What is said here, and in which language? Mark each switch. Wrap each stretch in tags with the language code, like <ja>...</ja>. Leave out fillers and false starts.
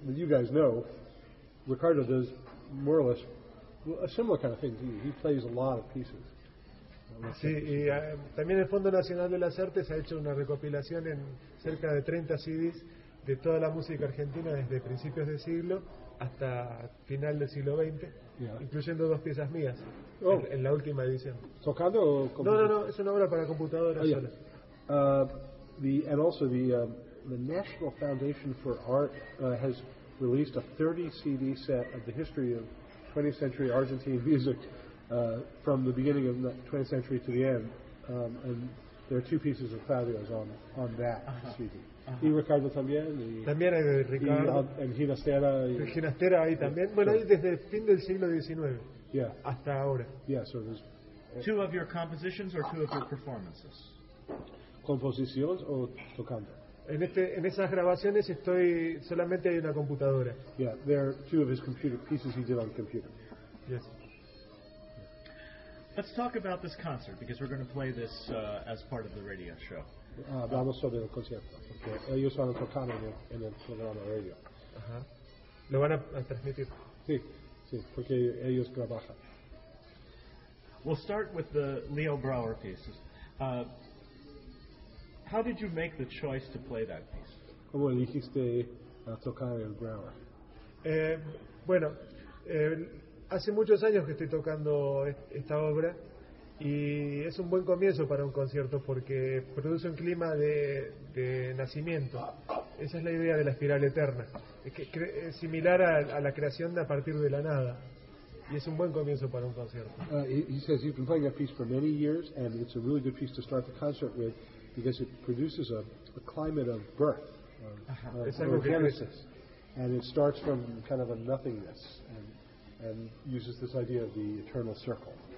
<en>But you guys know, Ricardo does more or less a similar kind of thing. He plays a lot of pieces.</en> <es>Sí, y también el Fondo Nacional de las Artes ha hecho una recopilación en cerca de 30 CDs. De toda la música argentina desde principios de siglo hasta final del siglo XX, incluyendo dos piezas mías en la última edición. ¿Tocando o computador? No, es una obra para computadora sola.</es> <en>And also the National Foundation for Art has released a 30 CD set of the history of 20th century Argentine music from the beginning of the 20th century to the end. And there are two pieces of Fabio's on that CD. Uh-huh.</en> <es>Y Ricardo también. También hay Ricardo. En Ginastera. En Ginastera ahí también. Bueno, ahí desde el fin del siglo XIX.</es> <en>Yeah.</en> <es>Hasta ahora.</es> <en>Yeah, so there's. Two of your compositions or two of your performances?</en> <es>Composiciones o tocando. En esas grabaciones estoy. Solamente hay una computadora.</es> <en>Yeah, there are two of his computer pieces he did on the computer. Yes. Let's talk about this concert because we're going to play this as part of the radio show.</en> <es>Hablamos sobre el concierto, porque ellos van a tocar en el programa de radio. Ajá. ¿Lo van a transmitir? Sí, porque ellos trabajan.</es> <en>We'll start with the Leo Brouwer pieces. How did you make the choice to play that piece?</en> <es>¿Cómo elegiste tocar el Brouwer? Bueno, hace muchos años que estoy tocando esta obra y es un buen comienzo para un concierto porque produce un clima de nacimiento. Esa es la idea de la espiral eterna. Es similar a la creación a partir de la nada. Y es un buen comienzo para un concierto.</es> <en>He says he's been playing that piece for many years and it's a really good piece to start the concert with because it produces a climate of birth, of genesis. And it starts from kind of a nothingness and uses this idea of the eternal circle.</en>